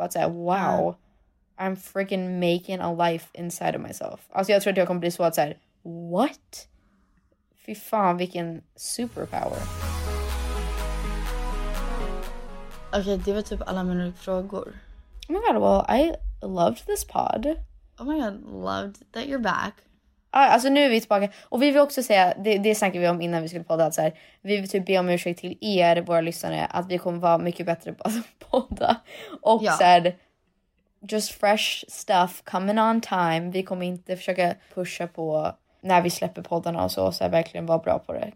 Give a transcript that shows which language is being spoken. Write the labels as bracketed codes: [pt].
[sv] Att säga, [en] wow, I'm freaking making a life inside of myself. [sv] Alltså jag tror att jag kommer bli så att så här, what? Fy fan, vilken superpower. Okej, det var typ alla mina frågor. [en] Oh my god, well, I loved this pod. Oh my god, loved that you're back. [sv] Alltså nu är vi tillbaka. Och vi vill också säga, det snackade vi om innan vi skulle podda, att så här, vi vill typ be om ursäkt till er, våra lyssnare, att vi kommer vara mycket bättre på att podda. Och ja. [en] Såhär, just fresh stuff coming on time. [sv] Vi kommer inte försöka pusha på när vi släpper poddarna och så här, verkligen vara bra på det.